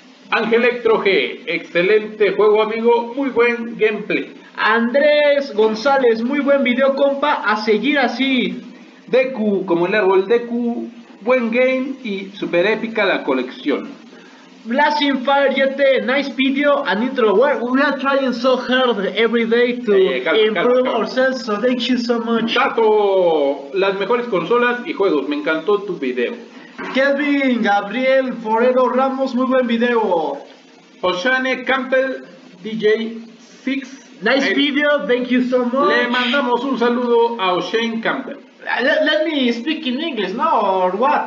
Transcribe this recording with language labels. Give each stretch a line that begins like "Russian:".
Spanish: Ángel Electro G, excelente juego, amigo. Muy buen gameplay. Andrés González, muy buen video, compa. A seguir así. Deku, como el árbol Deku. Buen game y super épica la colección.
English: Blasting Fire, yete, nice video, and intro. We are trying so hard every day to improve ourselves, so thank you so much.
Spanish: Tato, las mejores consolas y juegos, me encantó tu video. Kevin, Gabriel, Forero, Ramos, muy buen video. Oshane, Campbell, DJ, Six.
English: Nice video, thank you so much.
Spanish: Le mandamos un saludo a Oshane Campbell.
English: Let me speak in English, no, or what?